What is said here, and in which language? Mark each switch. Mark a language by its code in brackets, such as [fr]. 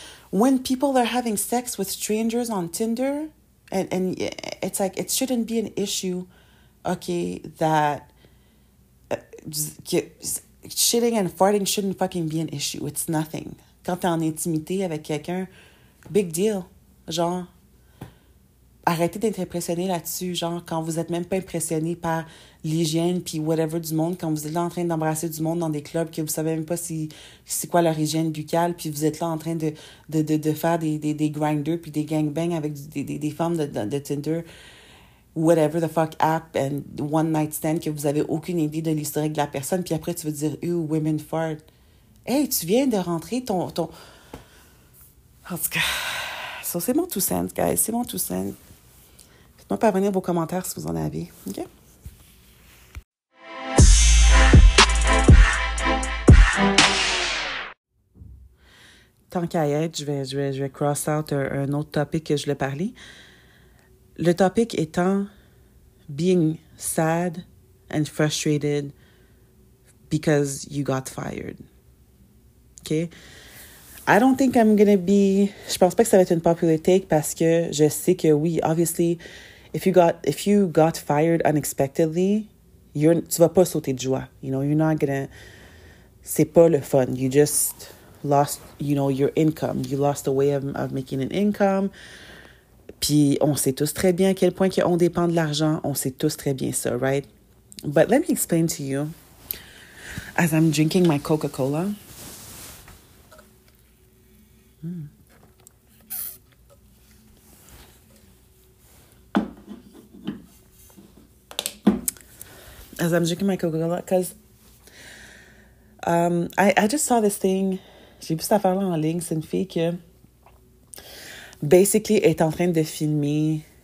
[en] When people are having sex with strangers on Tinder, and it's like, it shouldn't be an issue, okay, that shitting and farting shouldn't fucking be an issue. It's nothing. [fr] Quand t'es en intimité avec quelqu'un, big deal. Genre, arrêtez d'être impressionné là-dessus. Genre, quand vous êtes même pas impressionné par l'hygiène puis whatever du monde, quand vous êtes là en train d'embrasser du monde dans des clubs que vous savez même pas si c'est quoi leur hygiène buccale, puis vous êtes là en train de faire des grinders puis des gangbangs avec des femmes de Tinder, [en] whatever the fuck app and one night stand, [fr] que vous avez aucune idée de l'historique de la personne, puis après tu veux dire, [en] ew, women fart. [fr] Hey, tu viens de rentrer ton... En tout cas... So, c'est mon two cents, guys. C'est mon two cents. Faites-moi parvenir vos commentaires si vous en avez. OK? Tant qu'à être, je vais cross out un autre topic que je voulais parler. Le topic étant [en] being sad and frustrated because you got fired. [fr] OK? [en] I don't think I'm gonna be... [fr] Je pense pas que ça va être une popular take parce que je sais que oui, obviously, [en] if you got fired unexpectedly, [fr] tu vas pas sauter de joie. [en] You know, you're not gonna... [fr] C'est pas le fun. [en] You just lost, you know, your income. You lost a way of making an income. [fr] Puis on sait tous très bien à quel point qu'on dépend de l'argent. On sait tous très bien ça, right? [en] But let me explain to you, as I'm drinking my Coca-Cola... As I'm drinking my Coca-Cola, because I just saw this thing. [fr] J'ai vu cette affaire-là en ligne. C'est une fille qui, basically, est en train de filmer.